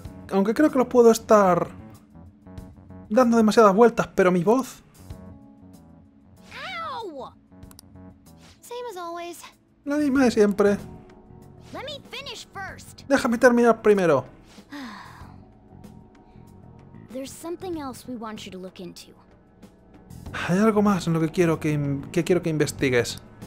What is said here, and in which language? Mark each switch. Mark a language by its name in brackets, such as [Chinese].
[Spanish] Aunque creo que lo puedo estar dando demasiadas vueltas, pero mi voz. [English] Ow! Same as always. [Spanish] La misma de siempre. [English] Let me finish first. [Spanish] Déjame terminar primero. [English] There's something else we want you to look into. [Spanish] Hay algo más en lo que quiero que investigues.